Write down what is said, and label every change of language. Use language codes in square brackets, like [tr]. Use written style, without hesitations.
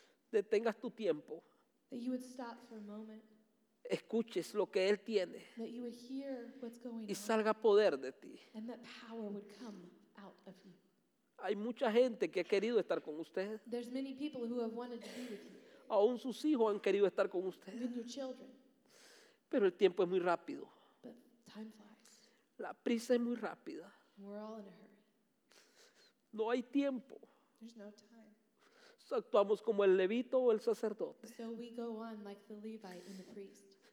[es] Detengas tu tiempo. [en] That you would stop for a moment. [es] Escuches lo que Él tiene. [en] That you would hear what's going [es] y salga poder de ti. [en] And that power would come out of you. [es] Hay mucha gente que ha querido estar con usted. [en] There's many people who have wanted to be with you. [es] Aún sus hijos han querido estar con usted. [en] Even your children. [es] Pero el tiempo es muy rápido. [en] But time flies. [es] La prisa es muy rápida. [en] We're all in a hurry. [es] No hay tiempo. [en] There's no time. [es] So actuamos como el levita o el sacerdote. [en] So we go on like the Levite and the priest.